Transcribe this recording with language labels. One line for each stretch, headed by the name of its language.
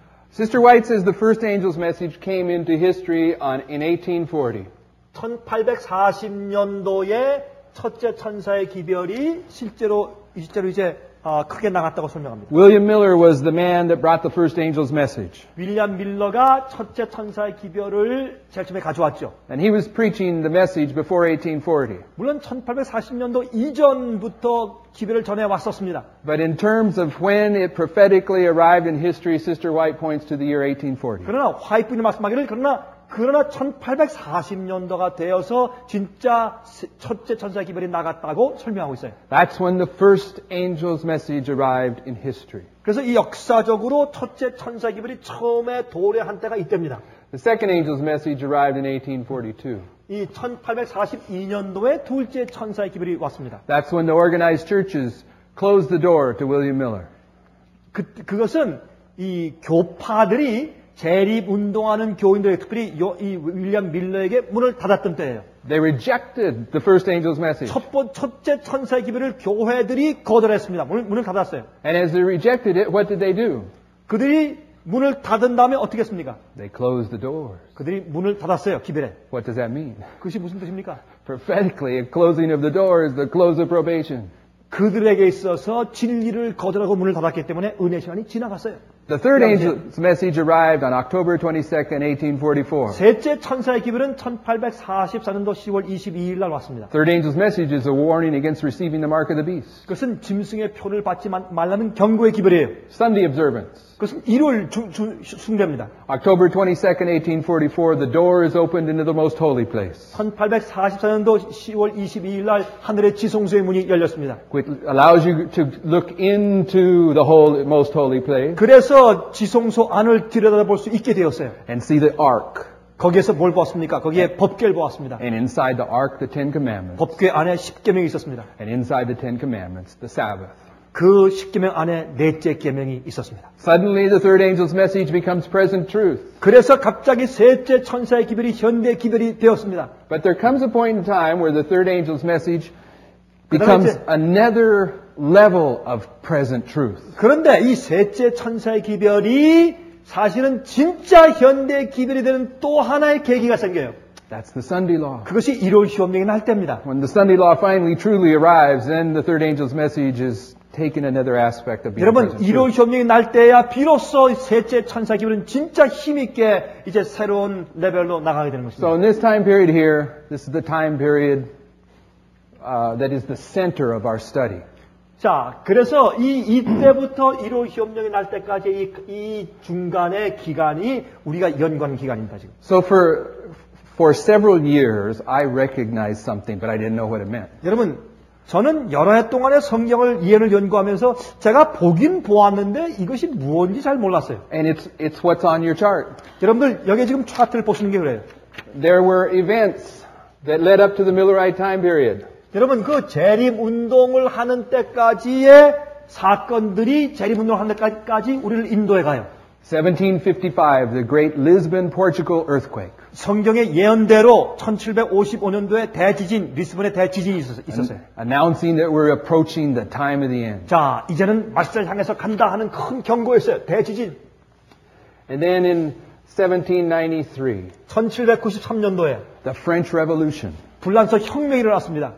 English: Sister White says the first angel's message came into history in 1840.
Korean: 1840년도에 첫째 천사의 기별이 실제로 이제 크게 나갔다고 설명합니다.
English: William Miller was the man that brought the first angel's message.
Korean: 윌리엄 밀러가 첫째 천사의 기별을 제일 처음에 가져왔죠.
English: And he was preaching the message before 1840.
Korean: 물론 1840년도 이전부터 기별을 전해 왔었습니다.
English: But in terms of when it prophetically arrived in history, Sister White points to the year 1840.
Korean: 그러나 화이트는 말씀하기를 그러나 1840년도가 되어서 진짜 첫째 천사의 기별이 나갔다고 설명하고 있어요.
English: That's when the first angel's message arrived in history.
Korean: 그래서 이 역사적으로 첫째 천사의 기별이 처음에 도래한 때가 이때입니다.
English: The second angel's message arrived in 1842.
Korean: 이 1842년도에 둘째 천사의 기별이 왔습니다.
English: That's when the organized churches closed the door to William Miller.
Korean: 그것은 이 교파들이 재립 운동하는 교인들에게 특별히 이 윌리엄 밀러에게 문을 닫았던 때예요.
English: They rejected the first angel's message.
Korean: 첫째 천사의 기별을 교회들이 거절했습니다. 문을 닫았어요.
English: And as they rejected it, what did they do?
Korean: 그들이 문을 닫은 다음에 어떻게 했습니까?
English: They closed the doors.
Korean: 그들이 문을 닫았어요, 기별에.
English: What does that mean?
Korean: 그것이 무슨 뜻입니까?
English: Prophetically, a closing of the door is the close of probation.
Korean: 그들에게 있어서 진리를 거절하고 문을 닫았기 때문에 은혜 시간이 지나갔어요.
English: The third angel's message arrived on October 22nd, 1844.
Korean: 셋째 천사의 기별은 1844년도 10월 22일 날 왔습니다.
English: Third angel's message is a warning against receiving the mark of the beast.
Korean: 그것은 짐승의 표를 받지 말라는 경고의 기별이에요.
English: Sunday observance.
Korean: 그것은 일요일 숭배입니다.
English: October 22nd, 1844, the door is opened into the most holy place.
Korean: 1844년도 10월 22일 날 하늘의 지성소의 문이 열렸습니다.
English: It allows you to look into the holy, most holy place.
Korean: 그래서 지성소 안을 들여다볼 수 있게 되었어요.
English: And see the ark.
Korean: 거기에서 뭘 보았습니까? 거기에 법궤를 보았습니다.
English: And inside the ark, the Ten Commandments.
Korean: 법궤 안에 십계명이 있었습니다.
English: And inside the Ten Commandments, the Sabbath.
Korean: 그 십계명 안에 넷째 계명이 있었습니다.
English: Suddenly the third angel's message becomes present truth.
Korean: 그래서 갑자기 셋째 천사의 기별이 현대 기별이 되었습니다.
English: But there comes a point in time where the third angel's message becomes another level of present truth.
Korean: 그런데 이 셋째 천사의 기별이 사실은 진짜 현대 기별이 되는 또 하나의 계기가 생겨요.
English: That's the Sunday law.
Korean: 그것이 일요일 시험령이 날 때입니다.
English: When the Sunday law finally truly arrives, then the third angel's message is taking another aspect of being present.
Korean: 여러분, 일요일 시험령이 날 때야 비로소 셋째 천사의 기별은 진짜 힘 있게 이제 새로운 레벨로 나가게 되는 것입니다.
English: So in this time period here, this is the time period that is the center of our study.
Korean: 자, 그래서 이때부터 1호 시험령이 날 때까지 이 중간의 기간이 우리가 연구하는 기간입니다, 지금.
English: So for several years I recognized something but I didn't know what it meant.
Korean: 여러분, 저는 여러 해 동안의 성경을 예언을 연구하면서 제가 보긴 보았는데 이것이 무엇인지 잘 몰랐어요.
English: And it's what's on your chart.
Korean: 여러분들 여기 지금 차트를 보시는 게 그래요.
English: There were events that led up to the Millerite time period.
Korean: 여러분 그 재림 운동을 하는 때까지의 사건들이 재림 운동을 하는 때까지 우리를 인도해 가요.
English: 1755, the Great Lisbon, Portugal earthquake.
Korean: 성경의 예언대로 1755년도에 대지진, 리스본의 대지진이 있었어요.
English: Announcing that we're approaching the time of the end.
Korean: 자, 이제는 말세를 향해서 간다 하는 큰 경고였어요. 대지진.
English: And then in 1793,
Korean: 1793년도에
English: the French Revolution.
Korean: 불란서 혁명이 일어났습니다.